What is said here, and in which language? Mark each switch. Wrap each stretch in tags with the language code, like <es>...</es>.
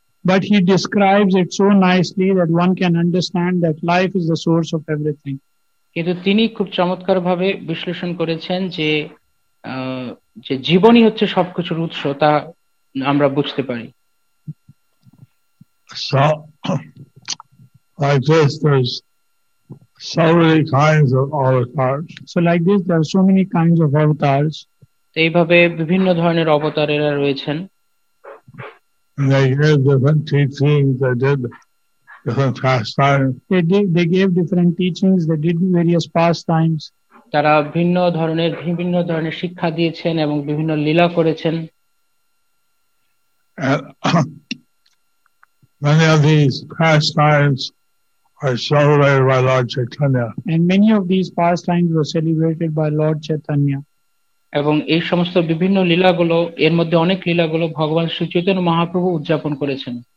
<en>But he describes it so nicely that one can understand that life is the source of everything.</en> <bn>কিন্তু তিনি খুব চমৎকারভাবে বিশ্লেষণ করেছেন যে যে জীবনই হচ্ছে সবকিছুর উৎস তা আমরা বুঝতে পারি.</bn> <en>So, like this, there's so many kinds of avatars. So, like this, there are so many kinds of avatars.</en> <bn>এইভাবে বিভিন্ন ধরনের অবতারেরা রয়েছেন.</bn> <en>And they gave different teachings, they did different pastimes. They gave different teachings, they did various pastimes.</en> <bn>তারা ভিন্ন ধরনের বিভিন্ন ধরনের শিক্ষা দিয়েছেন এবং বিভিন্ন লীলা করেছেন.</bn> <en>Many of these pastimes are celebrated by Lord Chaitanya. And many of these pastimes were celebrated by Lord Chaitanya.</en> <bn>এবং এই সমস্ত বিভিন্ন লীলাগুলো এর মধ্যে অনেক লীলাগুলো ভগবান শ্রী চৈতন্য মহাপ্রভু উদযাপন করেছেন.</bn>